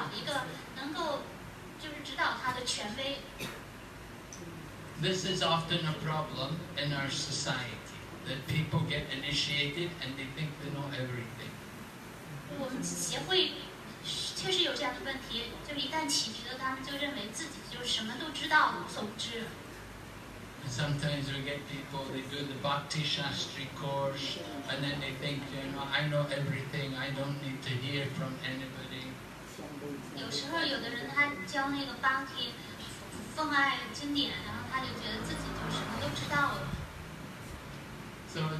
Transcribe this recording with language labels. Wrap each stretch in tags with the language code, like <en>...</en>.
<zh>因为这位奉献者，他不把您当成权威，也不能把您当成更有知识的人。所以呢，您应该找一个能够就是指导他的权威。</zh> <en>This is often a problem in our society that people get initiated and they think they know everything.</en> <zh>我们协会。确实有这样的问题，就是一旦起迪了，他们就认为自己就什么都知道，无所不知。And</zh> <en>sometimes we get people, they do the Bhakti Shastri course, and then they think, you know, I know everything, I don't need to hear from anybody.</en> <zh>有时候有的人他教那个 Bhakti 奉爱经典，然后他就觉得自己就什么都知道了。So</zh>